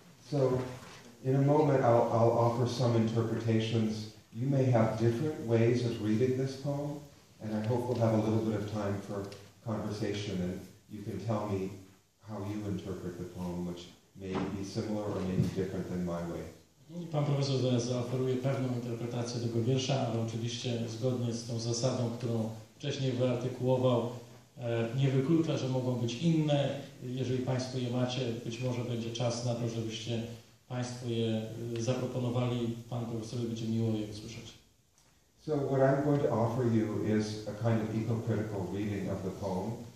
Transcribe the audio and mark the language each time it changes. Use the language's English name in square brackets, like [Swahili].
[English] So, in a moment, I'll offer some interpretations. You may have different ways of reading this poem, and I hope we'll have a little bit of time for conversation, and you can tell me how you interpret the poem, which may be similar or may be different than my way. [Polish] Pan profesor zaraz zaoferuje pewną interpretację tego wiersza, ale oczywiście zgodnie z tą zasadą, którą wcześniej wyartykułował, nie wyklucza, że mogą być inne. Jeżeli Państwo je macie, być może będzie czas na to, żebyście Państwo je zaproponowali. Pan profesor będzie miło je usłyszeć. [English] So what I'm going to offer you is a kind of eco-critical reading of the poem.